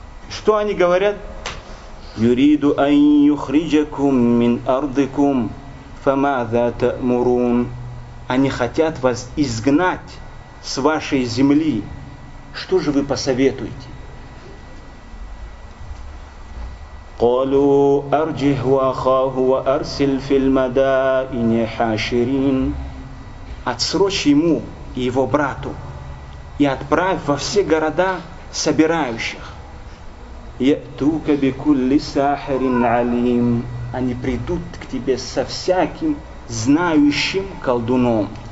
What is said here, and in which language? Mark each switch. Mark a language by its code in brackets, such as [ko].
[ru] Что они говорят? [ar] Юриду айюхриджакум мин ардыкум фамаза тамурун. [ru] Они хотят вас изгнать с вашей земли. Что же вы посоветуете? [ar] قالوا أرجه وأخاه وأرسل في المدائن حاشرين. [ru] Отсрочь ему и его брату и отправь во все города собирающих. [ar] يأتوك بكل ساحر عليم. [ru] Они придут к тебе со всяким знающим колдуном.